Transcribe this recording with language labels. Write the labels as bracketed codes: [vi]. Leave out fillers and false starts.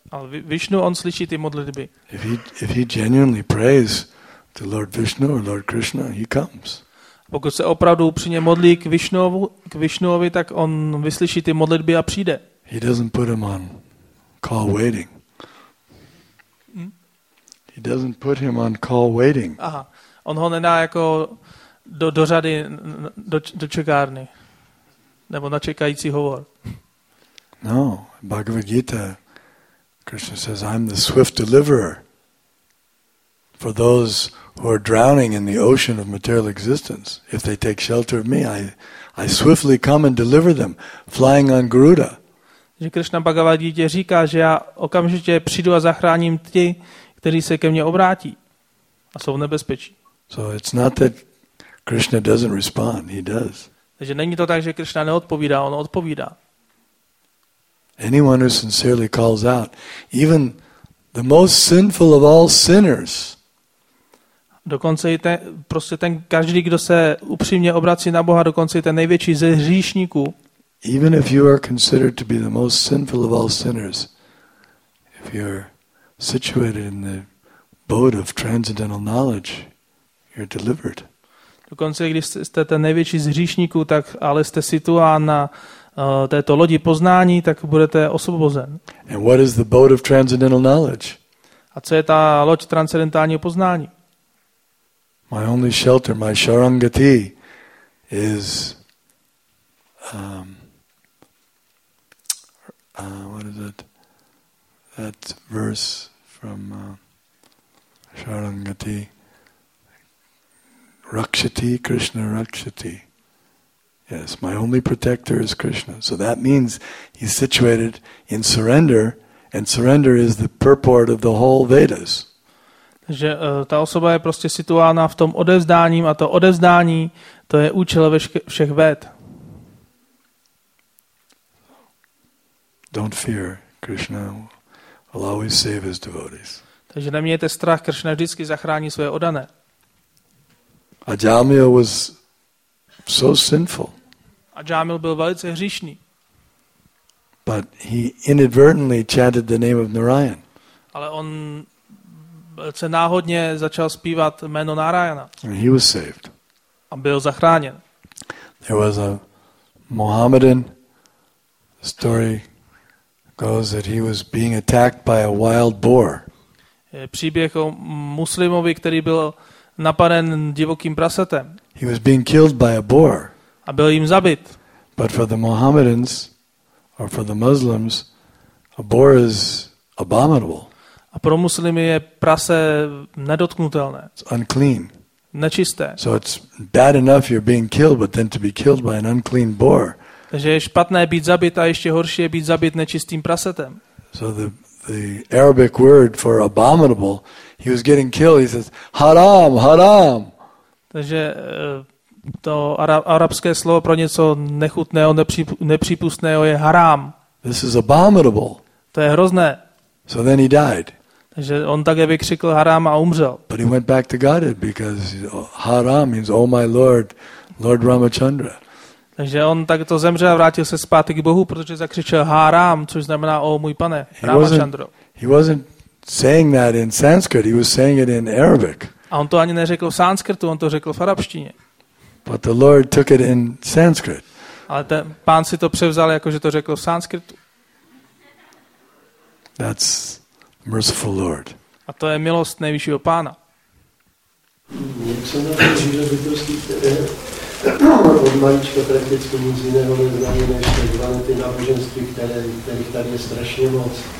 [cs] Ale Vishnu, on slyší ty modlitby. [en] If he genuinely prays to Lord Vishnu or Lord Krishna, he comes. [cs] Pokud se opravdu upřímně modlí k Višnovi, tak on vyslyší ty modlitby a přijde. [en] He doesn't put him on call waiting. He doesn't put him on call waiting. Aha. [cs] On ho nedá jako do řady do čekárny. Nebo na čekající hovor. [en] No, Bhagavad Gita, Krishna says, I'm the swift deliverer for those who are drowning in the ocean of material existence. If they take shelter of me, I swiftly come and deliver them, flying on Garuda. [cs] Že Krishna Bhagavad Gita říká, že já okamžitě přijdu a zachráním ty, kteří se ke mně obrátí a jsou v nebezpečí. [en] So it's not that Krishna doesn't respond, he does. [cs] Takže není to tak, že Krishna neodpovídá, on odpovídá. [en] Anyone who sincerely calls out, even the most sinful of all sinners, [cs] dokonce i ten každý, kdo se upřímně obrací na Boha, dokonce i ten největší ze hříšníků. [en] Even if you are considered to be the most sinful of all sinners, if you're situated in the boat of transcendental knowledge, you're delivered. [cs] Dokonce když jste ten největší z hříšníků, tak ale jste situován na této lodi poznání, tak budete osvobozen. [en] And what is the boat of transcendental knowledge? [cs] A co je ta loď transcendentálního poznání? [en] My only shelter, my sharangati, is what is it? That verse from sharangati, rakshati, Krishna rakshati. Yes, my only protector is Krishna. So that means he's situated in surrender, and surrender is the purport of the whole Vedas. [cs] Že ta osoba je prostě situována v tom odevzdáním, a to odevzdání, to je účel všech věd. [en] Don't fear, Krishna will always save his devotees. [cs] Takže nemějte strach, Krishna vždycky zachrání své oddané. [en] Ajamil was so sinful. [cs] Ajamil byl velice hříšný. [en] But he inadvertently chanted the name of Narayan. [cs] Ale on se náhodně začal zpívat jméno Narayana. [en] He was saved. [cs] A byl zachráněn. [en] There was a Mohammedan. The story goes that he was being attacked by a wild boar. [cs] Příběh o muslimovi, který byl napaden divokým prasetem. [en] He was being killed by a boar. [cs] A byl jim zabit. [en] But for the Mohammedans or for the Muslims, a boar is abominable. [cs] A pro muslimy je prase nedotknutelné. [en] It's unclean. [cs] Nečisté. [en] So it's bad enough you're being killed, but then to be killed by an unclean boar. [cs] Takže je špatné být zabit, a ještě horší je být zabit nečistým prasetem. [en] So the Arabic word for abominable, he was getting killed. He says haram, haram. [cs] Takže to arabské slovo pro něco nechutného, nepřípustného je haram. [en] This is abominable. [cs] To je hrozné. [en] So then he died. [cs] Takže on také vykřikl haram a umřel. [en] But he went back to Godhead because haram means oh my lord, Lord Ramachandra. [cs] Takže on tak to zemřel a vrátil se zpátky k Bohu, protože zakřičel haram, což znamená o můj pane, Ramachandro. [en] He wasn't saying that in Sanskrit, he was saying it in Arabic. [cs] A on to ani neřekl v sanskrtu, on to řekl v arabštině. [en] But the lord took it in Sanskrit. [cs] Ale ten pán si to převzal, jakože to řekl v sanskrtu. [en] That's merciful Lord. [cs] A to je milost nejvyššího pána. Mě jsou na to dříve bytosti, které od malička prakticky nic jiného neznají, než ty náboženství, kterých tady je strašně moc.